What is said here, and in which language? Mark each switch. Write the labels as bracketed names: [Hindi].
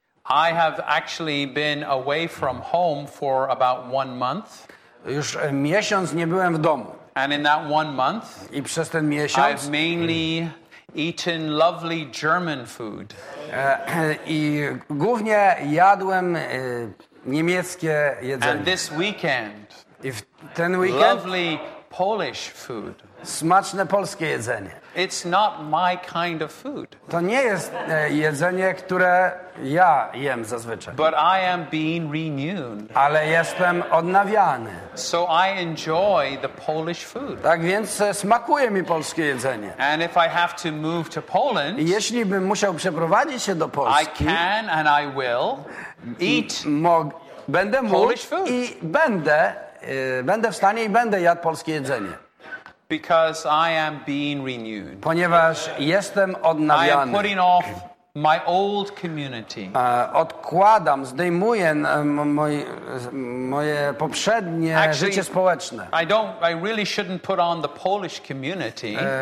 [English] I have actually been away from home for about 1 month. [Polish] Już miesiąc nie byłem w domu. [English] And in that 1 month, [Polish] i przez ten miesiąc, [English] I've mainly eaten lovely German food. [Polish] I głównie jadłem niemieckie jedzenie. [English] And this weekend, [Polish] i w ten weekend, [English] lovely Polish food. [Polish] Smaczne polskie jedzenie. [English] It's not my kind of food. [Polish] To nie jest jedzenie, które ja jem zazwyczaj. [English] But I am being renewed. [Polish] Ale jestem odnawiany. [English] So I enjoy the Polish food. [Polish] Tak więc smakuje mi polskie jedzenie. [English] And if I have to move to Poland, [Polish] jeśli bym musiał przeprowadzić się do Polski, [English] I can and I will eat [Polish] będę [English] Polish food. [Polish] I będę w stanie i będę jadł polskie jedzenie. [English] Because I am being renewed. [Polish] Ponieważ jestem odnawiany. [English] I am putting off my old community. [Polish] Odkładam, zdejmuję moje poprzednie [English] Actually, [Polish] życie społeczne. [English] I really shouldn't put on the Polish community.